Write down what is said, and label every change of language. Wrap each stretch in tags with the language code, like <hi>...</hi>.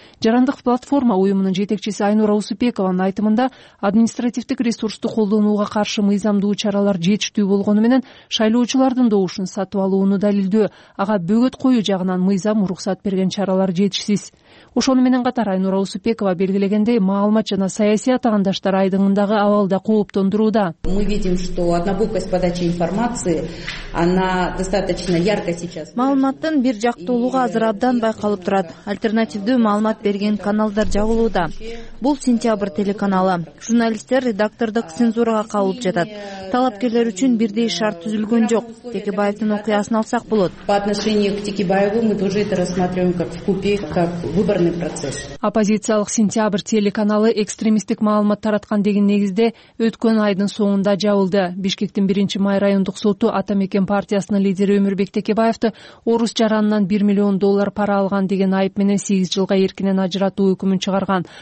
<ky>Жарандык платформа уюмунун жетекчиси Айнура Усупекованын айтымында административдик ресурсту колдонууга каршы мыйзамдуу чаралар жетиштүү болгону менен шайлоочулардын доошун сатып алууну далилдөө, ага бөгөт коюу жагынан мыйзам уруксат берген чаралар жетишсиз. Ошону менен катар Айнура Усупекова белгилегендей, маалымат жана саясий атаандаштар айдыңындагы абалда кооптондурууда.</ky> <ru>Мы видим, что однобокость подачи информации, она достаточно ярко сейчас.</ru> <ky>Маалыматтын бир жактуулугу азыр абдан байкалып турат. Альтернативдүү маалымат берген каналдар жабылууда. Бул сентябрь телеканалы. Журналисттер редактордук цензурага кабылып жатат. Талапкерлер үчүн бирдей шарт түзүлгөн жок. Текебаевдин окуясын алсак болот.</ky> <ru>По отношению к Текебаеву мы тоже это рассматриваем как вкупе, как выборный процесс.</ru> <ky>Оппозициялык сентябрь телеканалы экстремисттик маалымат тараткан деген негизде өткөн айдын соңунда жабылды. Бишкектин 1 май райондук соту Атамекен партиясынын лидери Өмүрбек Текебаевди орус жаранынан 1 000 000 доллар пара алган деген айып менен 8 жылга эркинен ажыратуу өкүмүн чыгарган.</ky>